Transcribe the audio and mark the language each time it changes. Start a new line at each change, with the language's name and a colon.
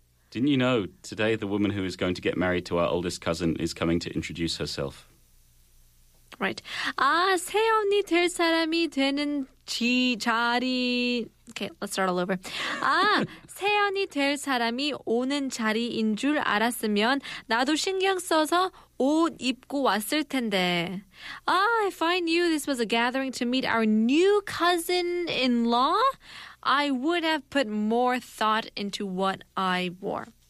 English: Didn't you know today the woman who is going to get married to our oldest cousin is coming to introduce herself? Right.
Korean: 아, 새 언니 될 사람이 되는 지 자리.
English: Okay, let's start all over.
Korean: 아, 새 언니 될 사람이 오는 자리인 줄 알았으면 나도 신경 써서 옷 입고 왔을 텐데.
English: Ah, if I knew this was a gathering to meet our new cousin-in-law, I would have put more thought into what I wore.